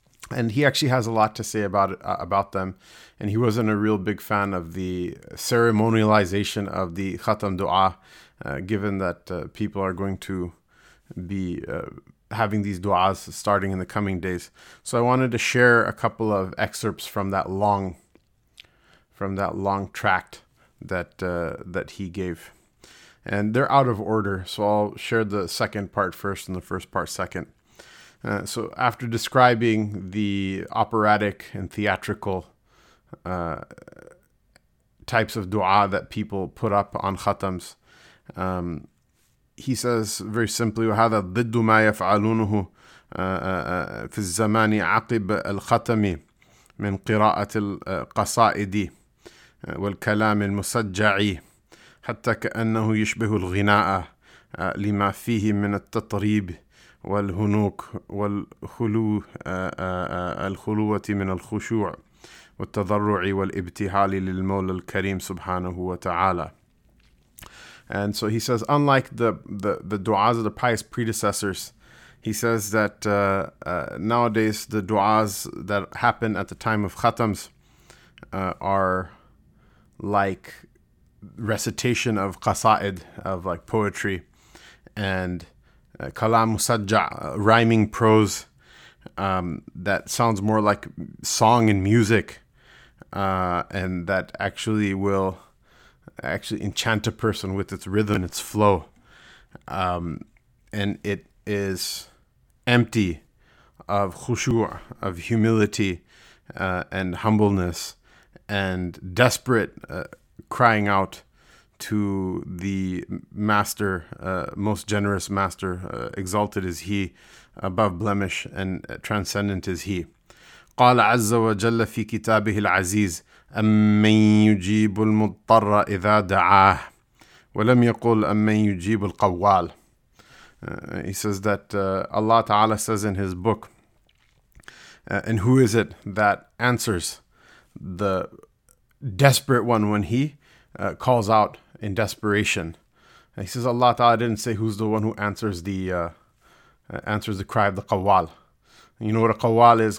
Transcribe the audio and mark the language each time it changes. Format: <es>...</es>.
<en>And he actually has a lot to say about them. And he wasn't a real big fan of the ceremonialization of the Khatam Dua, given that people are going to be having these duas starting in the coming days. So I wanted to share a couple of excerpts from that long tract that he gave. And they're out of order, so I'll share the second part first and the first part second. So after describing the operatic and theatrical types of dua that people put up on khatams,</en> <ar>he says very simply, وَهَذَا ضِدُّ مَا يَفْعَلُونُهُ فِي الزَّمَانِ عَقِبَ الْخَتَمِ مِنْ قِرَاءَةِ الْقَصَائِدِ وَالْكَلَامِ الْمُسَجَّعِ حَتَّى كَأَنَّهُ يُشْبِهُ الْغِنَاءَ لِمَا فِيهِ مِنَ التَّطْرِيبِ والهنوك والخلو الخلوة من الخشوع والتضرع والابتهال للمولى الكريم سبحانه وتعالى.</ar> <en>And so he says, unlike the du'as of the pious predecessors, he says that nowadays the du'as that happen at the time of khatams are like recitation of qasa'id, of like poetry, and kalam musajja, rhyming prose, that sounds more like song and music, and that actually will actually enchant a person with its rhythm and its flow. And it is empty of khushu', of humility and humbleness, and desperate crying out to the master, most generous master, exalted is he, above blemish and transcendent is he.</en> <ar>قال عز وجل في كتابه العزيز أمن يجيب المضطر إذا دعاه ولم يقول أمن يجيب القوال.</ar> <en>He says that Allah Ta'ala says in his book, and who is it that answers the desperate one when he calls out in desperation? And he says Allah Ta'ala didn't say who's the one who answers the cry of the qawwal. You know what a qawwal is?</en>